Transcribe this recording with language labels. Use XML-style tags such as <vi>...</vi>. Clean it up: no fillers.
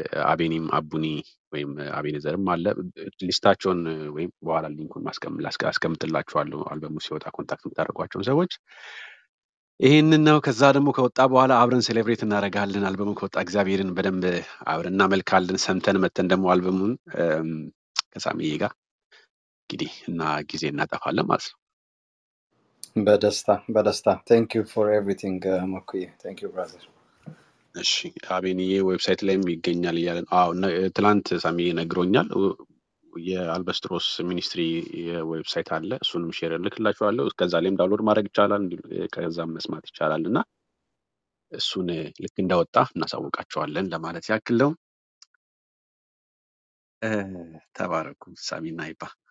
<am>አቤኒም አቡኒ ወይም አቤነዘርም አለ ሊስታቸውን ወይም በኋላ ሊንኩን ማስቀምጥላችኋለሁ አልበሙ ሲወጣ ኮንታክት እንድታደርጓቸው ሰዎች ይሄን ነው። ከዛ ደግሞ ከወጣ በኋላ አብረን ሴሌብሬት እናረጋለን አልበሙ ከወጣ እግዚአብሔርን በደንብ አብረን እናመልካለን ሰምተን መተን ደግሞ አልበሙን ከሳሚዬ ጋር እንግዲህ እና ጊዜ እናጠፋለን ማለት ነው። በደስታ</am> <en>thank you for everything ማኩይ thank you brother</en> <am>እሺ አቤኒዬ ዌብሳይት ላይም ይገኛል ይላል አው ትላንት ሳሚዬ ነግሮኛል የአልበስትሮስ ሚኒስትሪ የዌብሳይት አለ እሱንም ሼር ልክላችኋለሁ ከዛ ላይም ዳውንሎድ ማድረግ ይችላል ከዛም መስማት ይችላልና እሱን ልክ እንደወጣ እናሳውቃችኋለን ለማለት ያክለው ተባረኩ ሳሚና ይባ</am>